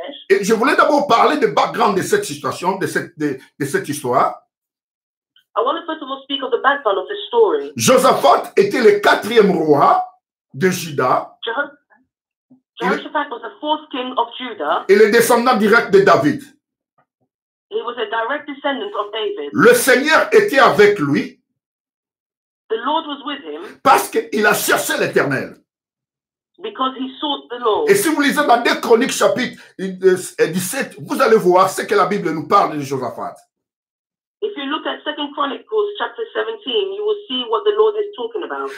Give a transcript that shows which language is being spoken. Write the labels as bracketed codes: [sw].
[fr] Et je voulais d'abord parler du background de cette situation, de cette histoire. [en] I want to first of all speak of the background of the story. [fr] Josaphat était le quatrième roi de Juda. [en] Jehoshaphat was the fourth king of Judah. [fr] Et le descendant direct de David. [en] He was a direct descendant of David. [fr] Le Seigneur était avec lui. [en] The Lord was with him. [fr] Parce qu'il a cherché l'Éternel. [en] Because he sought the Lord. [fr] Et si vous lisez dans 2 Chroniques chapitre 17, vous allez voir ce que la Bible nous parle de Josaphat. [en] If you look at 2 Chronicles chapter 17, you will see what the Lord is talking about.